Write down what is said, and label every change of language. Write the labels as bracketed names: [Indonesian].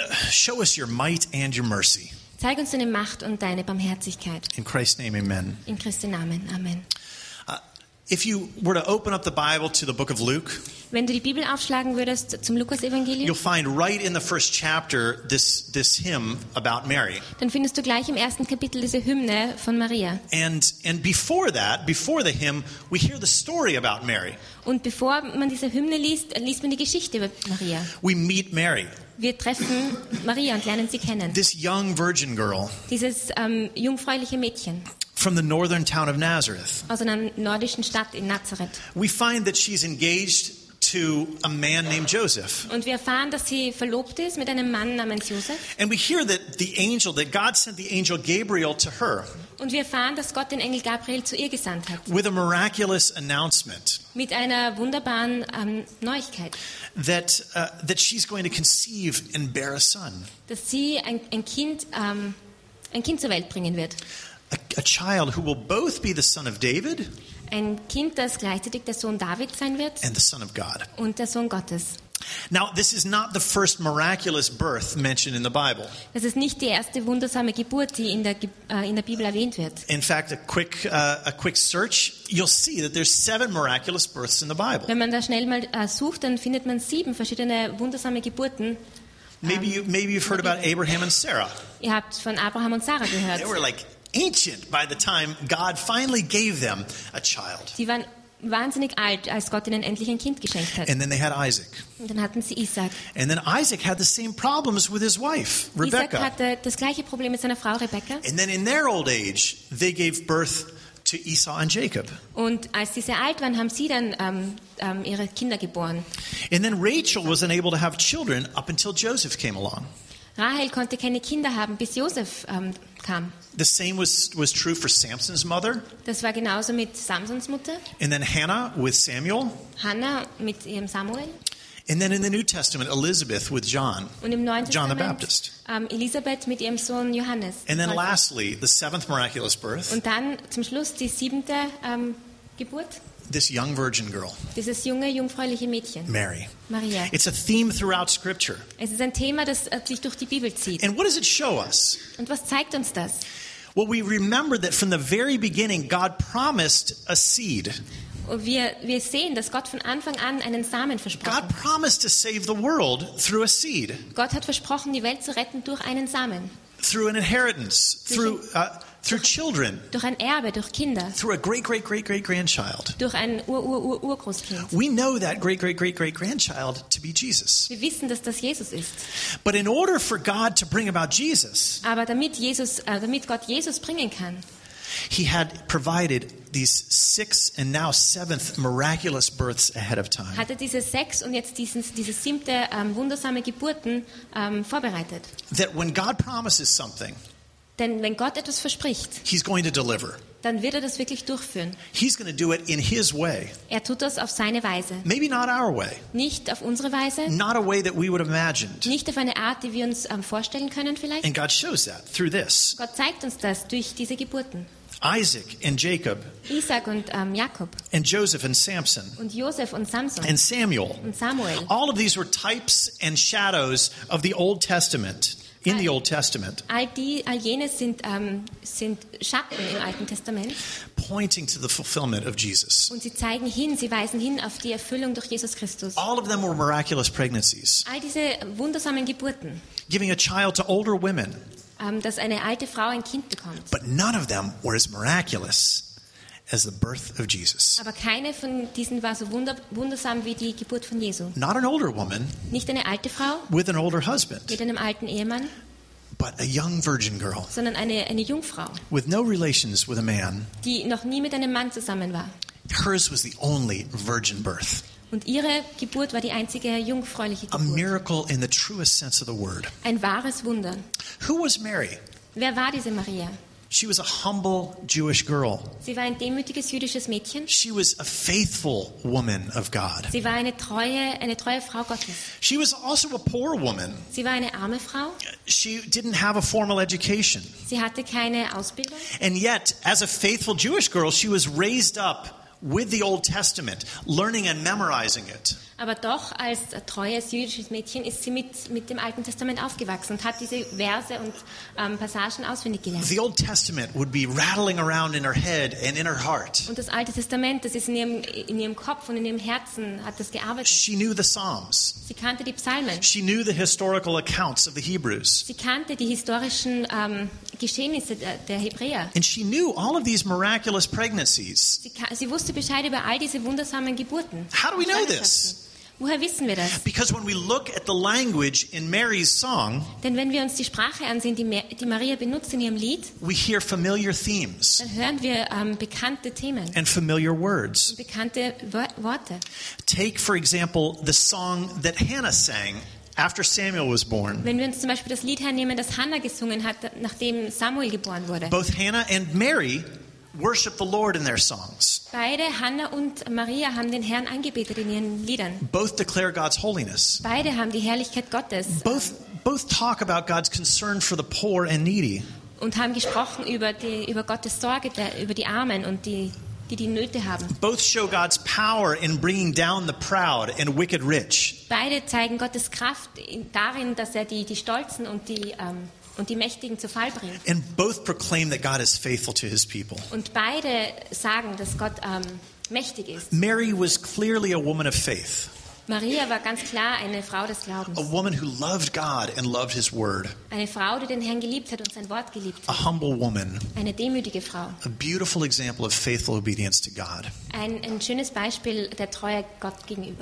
[English] Show us your might and your mercy. [German] Zeig uns deine Macht und deine Barmherzigkeit. [English] In Christ's name, amen. [German] In Christi Namen, amen. [English] If you were to open up the Bible to the book of Luke, [German] wenn du die Bibel aufschlagen würdest zum Lukas-Evangelium, [English] you'll find right in the first chapter this hymn about Mary. [German] Dann findest du gleich im ersten Kapitel diese Hymne von Maria. [English] And before that, before the hymn, we hear the story about Mary. [German] Und bevor man diese Hymne liest man die Geschichte über Maria. [English] We meet Mary. [German] Wir treffen Maria und lernen sie kennen. [English] This young virgin girl. [German] Dieses jungfräuliche Mädchen. [English] From the northern town of Nazareth. [German] Aus einer nordischen Stadt in Nazareth. [English] We find that she's engaged to a man named Joseph. [German] Und wir erfahren, dass sie verlobt ist mit einem Mann namens Joseph. [English] And we hear that the angel, that God sent the angel Gabriel to her. [German] Und wir erfahren, dass Gott den Engel Gabriel zu ihr gesandt hat. [English] With a miraculous announcement. [German] Mit einer wunderbaren Neuigkeit. [English] That she's going to conceive and bear a son. [German] Dass sie ein Kind zur Welt bringen wird. [English] a child who will both be the son of David. [German] Ein Kind, das gleichzeitig der Sohn David sein wird. [English] And the son of God. [German] Und der Sohn Gottes. [English] Now, this is not the first miraculous birth mentioned in the Bible. [German] Das ist nicht die erste wundersame Geburt, die in der Bibel erwähnt wird. [English] In fact, a quick search, you'll see that there's 7 miraculous births in the Bible. [German] Wenn man da schnell mal sucht, dann findet man 7 verschiedene wundersame Geburten. [English] Maybe you've heard about Abraham and Sarah. [German] Ihr habt von Abraham und Sarah gehört. [English] They were like ancient by the time God finally gave them a child. [German] Sie waren wahnsinnig alt, als Gott ihnen endlich ein Kind geschenkt hat. [English] And then they had Isaac. [German] Und dann hatten sie Isaac. [English] And then Isaac had the same problems with his wife, Rebecca. [German] Isaac hatte das gleiche Problem mit seiner Frau Rebecca. [English] And then in their old age, they gave birth to Esau and Jacob. [German] Und als sie sehr alt waren, haben sie dann ihre Kinder geboren. [English] And then Rachel was unable to have children up until Joseph came along. [German] Rahel konnte keine Kinder haben, bis Joseph kam. [English] The same was true for Samson's mother. [German] Das war genauso mit Samsons Mutter. [English] And then Hannah with Samuel. [German] Hannah mit ihrem Samuel. [English] And then in the New Testament, Elizabeth with John. [German] Und im Neuen Testament, [English] John the Baptist. [German] Elisabeth mit ihrem Sohn Johannes. [English] And then lastly, the 7th miraculous birth. [German] Und dann zum Schluss die 7. Geburt. [English] This young virgin girl. [German] Dieses junge jungfräuliche Mädchen. [English] Mary. [German] Maria. [English] It's a theme throughout Scripture. [German] Es ist ein Thema, das sich durch die Bibel zieht. [English] And what does it show us? [German] Und was zeigt uns das? [English] Well, we remember that from the very beginning, God promised a seed. [German] Wir sehen, dass Gott von Anfang an einen Samen versprochen hat. [English] God promised to save the world through a seed. [German] Gott hat versprochen, die Welt zu retten durch einen Samen. [English] Through an inheritance. Through children. [German] Durch ein Erbe, durch Kinder. [English] Through a great-great-great-great-grandchild. [German] Durch ein Ur-Ur-Ur-Urgroßkind. [English] We know that great-great-great-great-grandchild to be Jesus. [German] Wir wissen, dass das Jesus ist. [English] But in order for God to bring about Jesus, [German] aber damit Gott Jesus bringen kann, [English] he had provided these 6 and now 7th miraculous births ahead of time. [German] Hatte diese 6 und jetzt diese 7. Wundersame Geburten vorbereitet. [English] That when God promises something, [German] denn wenn Gott etwas verspricht, [English] he's going to deliver. [German] Dann wird er das wirklich durchführen. [English] He's going to do it in his way. [German] Er tut das auf seine Weise. [English] Maybe not our way. [German] Nicht auf unsere Weise. [English] Not a way that we would have imagined. [German] Nicht auf eine Art, die wir uns vorstellen können vielleicht. [English] And God shows that through this. [German] Gott zeigt uns das durch diese Geburten. [English] Isaac and Jacob. [German] Isaac und Jakob. [English] And Joseph and Samson. [German] Und Joseph und Samson. [English] And Samuel. [German] Und Samuel. [English] All of these were types and shadows of the Old Testament. In the Old Testament. [German] All jene sind Schatten im Alten Testament. [English] Pointing to the fulfillment of Jesus. [German] Und sie zeigen hin, sie weisen hin auf die Erfüllung durch Jesus Christus. [English] All of them were miraculous pregnancies. [German] All diese wundersamen Geburten. [English] Giving a child to older women. [German] Dass eine alte Frau ein Kind bekommt. [English] But none of them were as miraculous as the birth of Jesus. [German] Aber keine von diesen war so wundersam wie die Geburt von Jesus. [English] Not an older woman. [German] Nicht eine alte Frau. [English] With an older husband. [German] Mit einem alten Ehemann. [English] But a young virgin girl. [German] Sondern eine Jungfrau. [English] With no relations with a man. [German] Die noch nie mit einem Mann zusammen war. [English] Hers was the only virgin birth. [German] Und ihre Geburt war die einzige jungfräuliche Geburt. [English] A miracle in the truest sense of the word. [German] Ein wahres Wunder. [English] Who was Mary? [German] Wer war diese Maria? [English] She was a humble Jewish girl. [German] Sie war ein demütiges jüdisches Mädchen. [English] She was a faithful woman of God. [German] Sie war eine treue Frau Gottes. [English] She was also a poor woman. [German] Sie war eine arme Frau. [English] She didn't have a formal education. [German] Sie hatte keine Ausbildung. [English] And yet, as a faithful Jewish girl, she was raised up with the Old Testament, learning and memorizing it. [German] Aber doch, als treues jüdisches Mädchen ist sie mit dem Alten Testament aufgewachsen und hat diese Verse und Passagen auswendig gelernt. [English] The Old Testament would be rattling around in her head and in her heart. [German] Und das Alte Testament, das ist in ihrem Kopf und in ihrem Herzen, hat das gearbeitet. [English] She knew the Psalms. [German] Sie kannte die Psalmen. [English] She knew the historical accounts of the Hebrews. [German] Sie kannte die historischen Geschehnisse der Hebräer. [English] And she knew all of these miraculous pregnancies. [German] Sie wusste Bescheid über all diese wundersamen Geburten. [English] How do we know this? [German] Woher wissen wir das? [English] Because when we look at the language in Mary's song, [German] denn wenn wir uns die Sprache ansehen, die Maria benutzt in ihrem Lied, [English] we hear familiar themes. [German] Dann hören wir bekannte Themen. [English] And familiar words. [German] Und bekannte Worte. [English] Take for example the song that Hannah sang after Samuel was born. [German] Wenn wir uns zum Beispiel das Lied hernehmen, das Hannah gesungen hat, nachdem Samuel geboren wurde. [English] Both Hannah and Mary worship the Lord in their songs. [German] Beide Hannah und Maria haben den Herrn angebetet in ihren Liedern. [English] Both declare God's holiness. [German] Beide haben die Herrlichkeit Gottes. [English] Both talk about God's concern for the poor and needy. [German] und haben gesprochen über Gottes Sorge über die Armen und die Nöte haben. [English] Both show God's power in bringing down the proud and wicked rich. [German] Beide zeigen Gottes Kraft darin, dass er die Stolzen und die Mächtigen zu Fall bringt. [English] And both proclaim that God is faithful to his people. [German] Und beide sagen, dass Gott mächtig ist. [English] Mary was clearly a woman of faith. [German] Maria war ganz klar eine Frau des Glaubens. [English] A woman who loved God and loved his word. [German] Eine Frau, die den Herrn geliebt hat und sein Wort geliebt hat. [English] A humble woman. [German] Eine demütige Frau. [English] A beautiful example of faithful obedience to God. [German] Ein schönes Beispiel der Treue Gott gegenüber.